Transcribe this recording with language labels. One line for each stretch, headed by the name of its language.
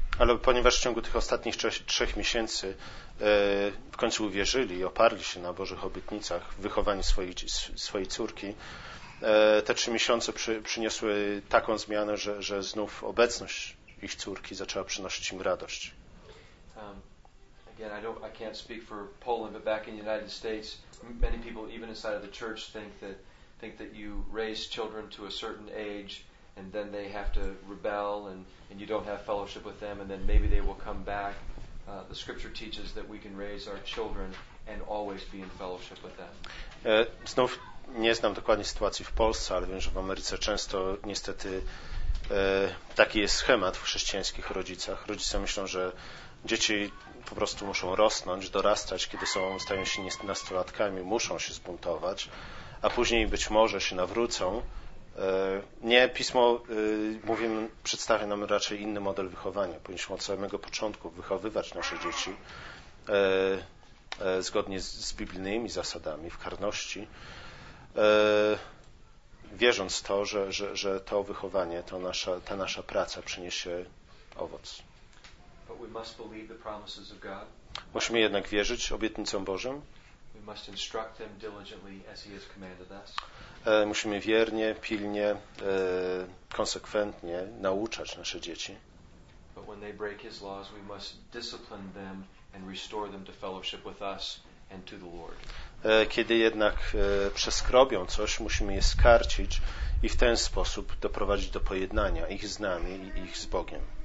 Polish: Ale ponieważ w ciągu tych ostatnich 3 miesięcy w końcu uwierzyli i oparli się na Bożych obietnicach w wychowaniu swojej córki, te 3 miesiące przyniosły taką zmianę, że znów obecność ich córki zaczęła przynosić im radość.
English: I can't speak for Poland, but back in the United States, many people, even inside of the church, think that you raise children to a certain age and then they have to rebel and you don't have fellowship with them and then maybe they will come back. The scripture teaches that we can raise our children and always be in fellowship with them.
Polish: Znów nie znam dokładnie sytuacji w Polsce, ale wiem, że w Ameryce często niestety taki jest schemat w chrześcijańskich rodzicach. Rodzice myślą, że dzieci po prostu muszą rosnąć, dorastać, kiedy są, stają się nastolatkami, muszą się zbuntować, a później być może się nawrócą. Nie, pismo przedstawia nam raczej inny model wychowania. Powinniśmy od samego początku wychowywać nasze dzieci zgodnie z biblijnymi zasadami, w karności, wierząc w to, że to wychowanie, to nasza, ta nasza praca przyniesie owoc.
English: But we must believe the promises of God.
Polish: Musimy jednak wierzyć obietnicom Bożym.
English: We must instruct them diligently as he has commanded us.
Polish: Musimy wiernie, pilnie, konsekwentnie nauczać nasze dzieci.
English: But when they break his laws, we must discipline them and restore them to fellowship with us and to the Lord.
Polish: Kiedy jednak przeskrobią coś, musimy je skarcić i w ten sposób doprowadzić do pojednania ich z nami i ich z Bogiem.